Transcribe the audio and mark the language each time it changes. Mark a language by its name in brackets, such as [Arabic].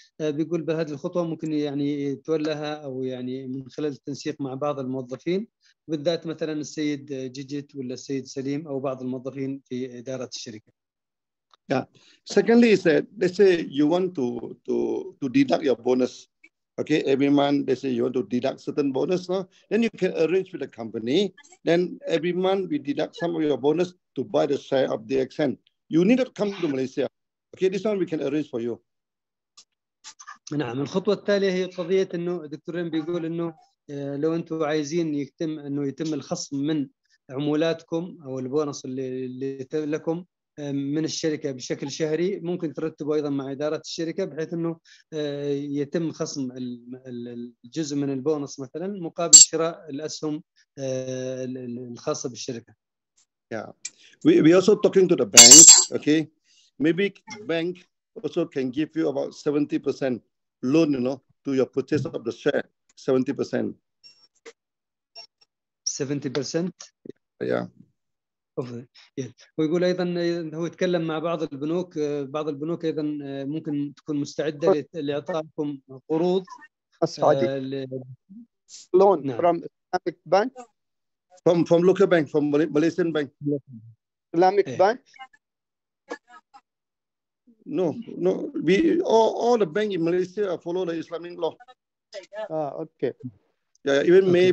[Arabic] بيقول بهذه الخطوة ممكن يعني تولها أو يعني من خلال التنسيق مع بعض الموظفين، بالذات مثلا السيد جيجيت ولا السيد سليم أو بعض الموظفين في إدارة الشركة. [English] Yeah. Secondly, he said, let's say you want to deduct your bonus, okay? Every month, let's say you want to deduct certain bonus, no? Then you can arrange with the company. Then every month, we deduct some of your bonus to buy the share of DXN. You need to come to Malaysia, okay? This one we can arrange for you. [Arabic] نعم. الخطوة التالية هي قضية إنه دكتورين بيقول إنه لو أنتوا عايزين يتم إنه يتم الخصم من عمولاتكم أو البونص اللي لكم من الشركة بشكل شهري، ممكن ترتبوا أيضا مع إدارة الشركة بحيث أنه يتم خصم الجزء من البونص مثلا مقابل شراء الأسهم الخاصة بالشركة. [English] Yeah. We also talking to the bank. Okay. Maybe bank also can give you about 70% loan, you know, to your purchase of the share. 70%. 70%. Yeah. Yeah. [Arabic] ويقول أيضا هو يتكلم مع بعض البنوك، بعض البنوك أيضا ممكن تكون مستعدة لإعطائكم قروض السعودية. [English] Loan no. from Islamic bank. From local bank, from Malaysian bank. Islamic yeah. bank. No. We all the bank in Malaysia follow the Islamic law. Ah, okay. Yeah, even okay.